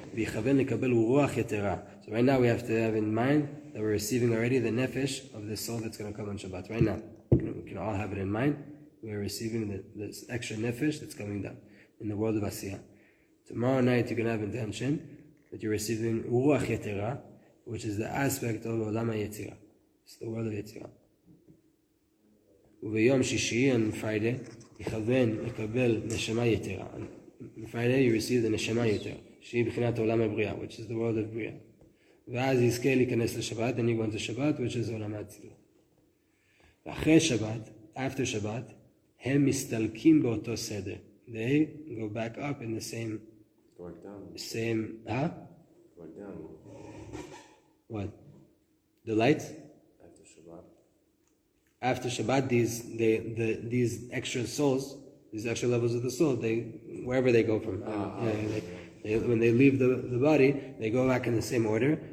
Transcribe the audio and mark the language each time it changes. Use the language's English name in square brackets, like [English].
[English] So right now we have to have in mind that we're receiving already the nefesh of the soul that's going to come on Shabbat. Right now, we can all have it in mind. We're receiving this extra nefesh that's coming down in the world of Asiya. Tomorrow night you can have intention that you're receiving Ruach Yetera, which is the aspect of Olam HaYetira. It's the world of Yetira. [Hebrew] וביום שישי, [English] on Friday, [Hebrew] יכוון לקבל נשמה יתרה. [English] On Friday, you receive the נשמה יתרה, [Hebrew] שהיא בחינת עולם הבריאה, [English] which is the world of בריאה. [Hebrew] ואז יזכה להיכנס לשבת, [English] and you go into Shabbat, which is עולם האצילות. [Hebrew] ואחרי שבת, [English] after Shabbat, [Hebrew] הם מסתלקים באותו סדר. [English] They go back up in the same... Huh? Going down. What? The lights? After Shabbat, these extra souls, these extra levels of the soul, they wherever they go from, when they leave the body, they go back in the same order.